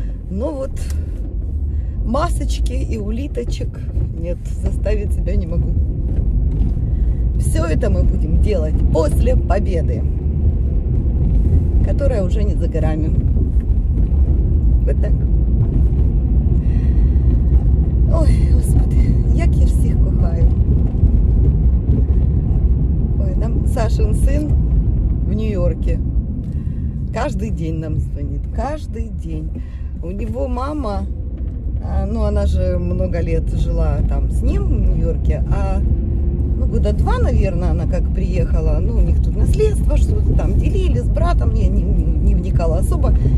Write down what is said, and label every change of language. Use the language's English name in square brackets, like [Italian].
[Russian] Ну вот, масочки и улиточек. Нет, заставить себя не могу. Все это мы будем делать после победы, которая уже не за горами. Вот так. [Ukrainian] Ой, господи, як я всіх кохаю. [Russian] Ой, нам Сашин сын в Нью-Йорке. Каждый день нам звонит, каждый день. У него мама, ну, она же много лет жила там с ним в Нью-Йорке, а, ну, года 2, наверное, она как приехала, ну, у них тут наследство что-то там делили с братом, я не вникала особо.